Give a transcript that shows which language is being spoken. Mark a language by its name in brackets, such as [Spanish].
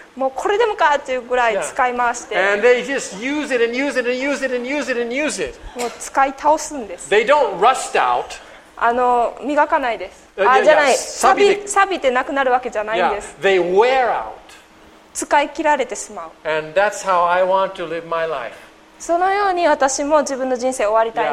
[Japanese] もうこれでもかっていうぐらい使い回して。 [English] And they just use it and use it and use it and use it and use it. [Japanese] もう使い倒すんです。 [English] They don't rust out. [Japanese] 磨かないです。あ、じゃない。錆びてなくなるわけじゃないんです。 [English] Yeah, they wear out. [Japanese] 使い切られてしまう。 [English] And that's how I want to live my life. [Japanese] そのように私も自分の人生終わりたいな